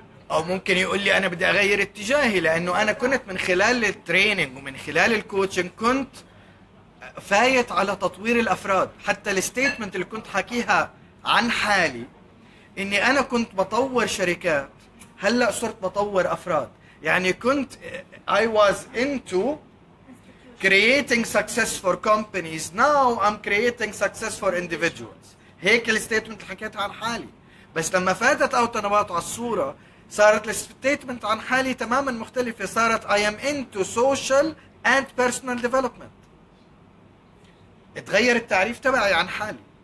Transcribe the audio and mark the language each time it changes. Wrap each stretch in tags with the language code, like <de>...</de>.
<ar>او ممكن يقول لي انا بدي اغير اتجاهي، لانه انا كنت من خلال التريننج ومن خلال الكوتشنج كنت فايت على تطوير الافراد. حتى الستيتمنت اللي كنت حكيها عن حالي اني انا كنت بطور شركات، هلا صرت بطور افراد. يعني كنت</ar> <en>I was into creating success for companies, now I'm creating success for individuals.</en> <ar>هيك الستيتمنت حكيتها عن حالي، بس لما فاتت اوت انا باطع الصورة صارت الستيتمنت عن حالي تماما مختلفة، صارت</ar> <en>I am into social and personal development.</en> <ar>اتغير التعريف تبعي عن حالي.</ar>